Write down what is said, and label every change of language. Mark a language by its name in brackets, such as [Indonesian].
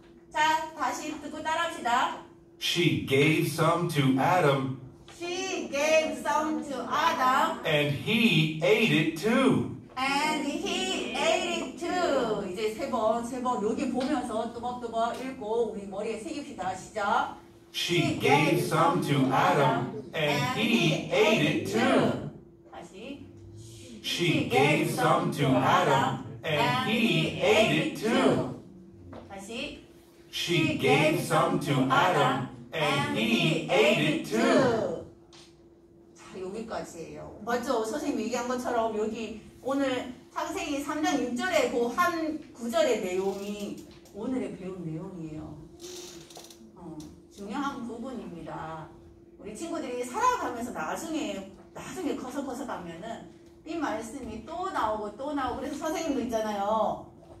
[Korean] 자, 다시 듣고 따라합시다. [English] She gave some to Adam. She gave some to Adam. And he ate it too. And he ate it too. [Korean] 이제 세 번 여기 보면서 뚜벅뚜벅 읽고 우리 머리에 새깁시다. 시작. [English] She gave some to Adam, and he ate it too. [Korean] 다시. [English] She gave some to Adam, and he ate it too. [Korean] 다시. [English] She gave some to Adam, and he ate it too. [Korean] 자, 여기까지예요. 맞죠? 선생님 얘기한 것처럼 여기 오늘 창세기 3장 6절에 그 한 구절의 내용이 오늘의 배운 내용이에요. 중요한 부분입니다. 우리 친구들이 살아가면서 나중에 커서 가면은 이 말씀이 또 나오고 그래서 선생님도 있잖아요.